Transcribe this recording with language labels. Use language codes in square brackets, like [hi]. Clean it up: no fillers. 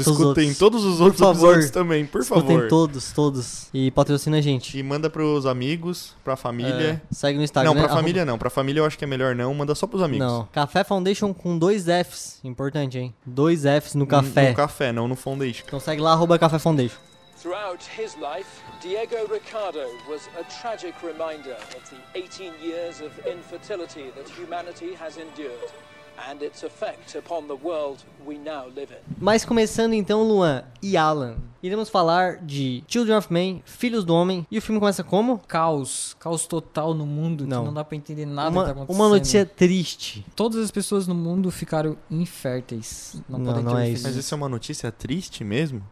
[pt] Escutem todos os outros episódios também, por favor. Escutem todos, todos. E patrocina a gente. E manda pros amigos, pra família. É, segue no Instagram. Não, pra família não. Pra família eu acho que é melhor não. Manda só pros amigos. Não. Café Foundation com dois Fs. Importante, hein? Dois Fs no café. No café, não no Foundation. Então segue lá, arroba Café Foundation. [en] Throughout his life, Diego Ricardo was a tragic reminder of the 18 years of infertility that humanity has endured and its effect upon the world we now live in. [pt] Mas começando então, Luan e Alan, iremos falar de Children of Men, Filhos do Homem, e o filme começa como? Caos, caos total no mundo, não. Que não dá pra entender nada que tá acontecendo. Uma notícia triste. Todas as pessoas no mundo ficaram inférteis, não podem ter filhos. Mas isso é uma notícia triste mesmo?